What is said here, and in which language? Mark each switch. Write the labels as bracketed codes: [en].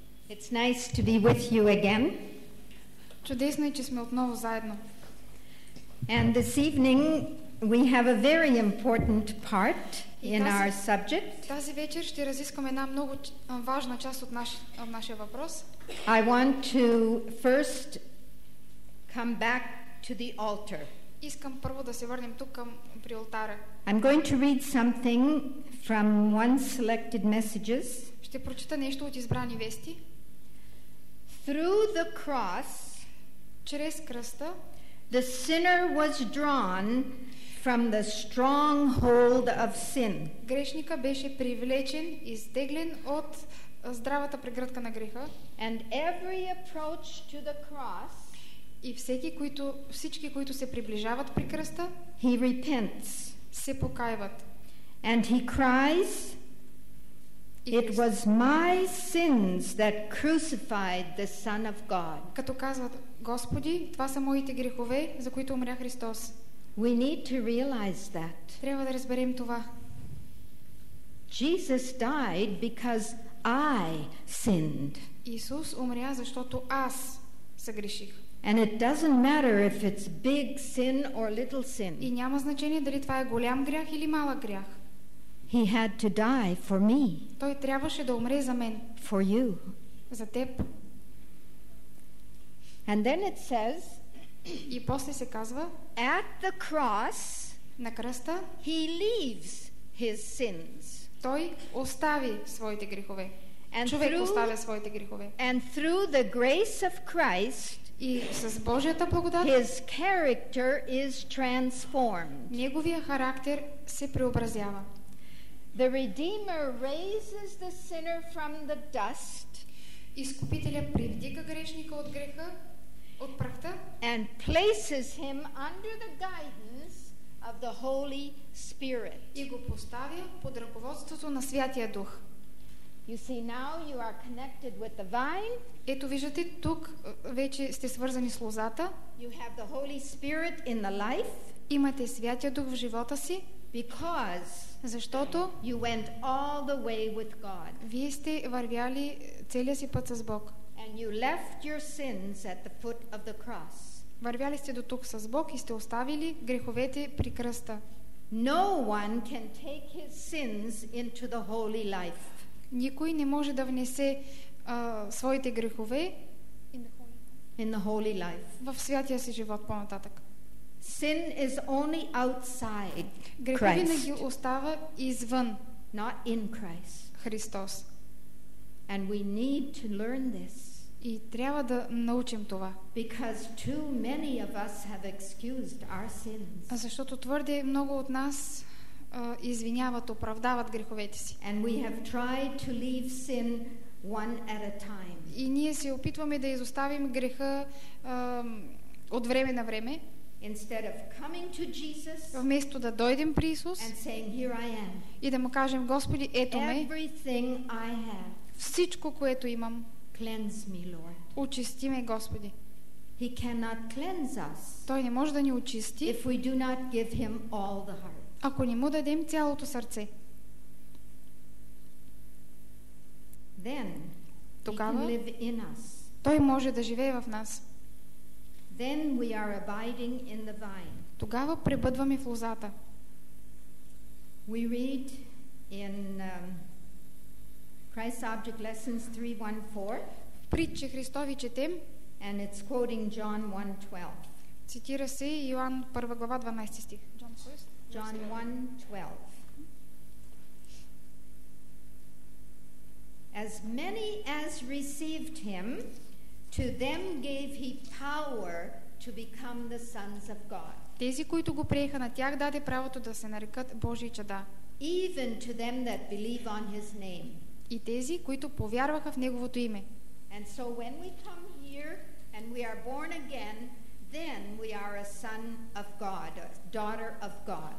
[en] It's nice to be with you again. [bg] Чудесно е, че сме отново заедно. [en] And this evening we have a very important part in our subject. [bg] Тази вечер ще разискаме една много важна част от нашия въпрос. [en] I want to first come back to the altar. [bg] Искам първо да се върнем тук към при алтара. [en] I'm going to read something from one selected messages. [bg] Ще прочита нещо от избрани вести. [en] Through the cross, [bg] чрез кръста, [en] the sinner was drawn from the stronghold of sin. [bg] Грешника беше привлечен, изтеглен от здравата преградка на греха. [en] And every approach to the cross, [bg] и всички, които се приближават при кръста, [en] he repents, [bg] се покаяват. [en] And he cries, it was my sins that crucified the Son of God. [bg] Като казват, Господи, това са моите грехове, за които умря Христос. [en] We need to realize that. [bg] Трябва да разберем това. [en] Jesus died because I sinned. [bg] Исус умря, защото аз съгреших. [en] And it doesn't matter if it's big sin or little sin. [bg] И няма значение дали това е голям грях или малък грях. [en] He had to die for me. [bg] Той трябваше да умре за мен. [en] For you. [bg] За теб. [en] And then it says, [bg] и после се казва, [en] at the cross, [bg] на кръста, [en] he leaves his sins. [bg] Той остави своите грехове. Човек оставя своите грехове. [en] And through the grace of Christ, [bg] и с Божията благодат, [en] his character is transformed. [bg] Неговия характер се преобразява. [en] The Redeemer raises the sinner from the dust. [bg] Изкупителят привдига грешника от греха, от прахта, [en] and places him under the guidance of the Holy Spirit. [bg] И го поставя под ръководството на Святия Дух. [en] You see, now you are connected with the vine. [bg] Ето виждате, тук вече сте свързани с лозата. [en] You have the Holy Spirit in the life. [bg] Имате Святия Дух в живота си. [en] Because [bg] защото [en] you went all the way with God. [bg] Вие сте вървяли целия си път с Бог. [en] And you left your sins at the foot of the cross. [bg] Вървяли сте до тук с Бог и сте оставили греховете при кръста. [en] No one can take his sins into the holy life. [bg] Никой не може да внесе своите грехове [en] in the holy life. [bg] В святия си живот по-нататък. [en] Sin is only outside Christ. [bg] Грехът винаги остава извън, [en] not in Christ. [bg] Христос. [en] And we need to learn this. [bg] И трябва да научим това. [en] Because too many of us have excused our sins. [bg] Защото твърде много от нас извиняват, оправдават греховете си. [en] And we have tried to leave sin one at a time. [bg] И ние се опитваме да изоставим греха от време на време. [en] Instead of coming to Jesus, [bg] вместо да дойдем при Исус [en] and saying, here I am, [bg] и да му кажем, Господи, ето ме, [en] everything I have, [bg] всичко, което имам, [en] cleanse me, Lord. [bg] Очисти ме, Господи. [en] He cannot cleanse us, [bg] той не може да ни очисти, [en] if we do not give him all the heart. [bg] Ако не му дадем цялото сърце. [en] Then, [bg] тогава, [en] he can live in us. [bg] Той може да живее в нас. [en] Then we are abiding in the vine. [bg] Тогава пребъдваме в лозата. [en] We read in Christ's Object Lessons 3:1-4. [bg] Притчи Христови четем. [en] And it's quoting John 1:12. [bg] Цитира се Йоан 1 глава 12 стих. [en] John 1:12. As many as received him, to them gave he power to become the sons of God. [bg] Тези, които го приеха, на тях даде правото да се нарекат Божии чада. [en] Even to them that believe on his name. [bg] И тези, които повярваха в неговото име. [en] And so when we come here and we are born again, then we are a son of God, a daughter of God.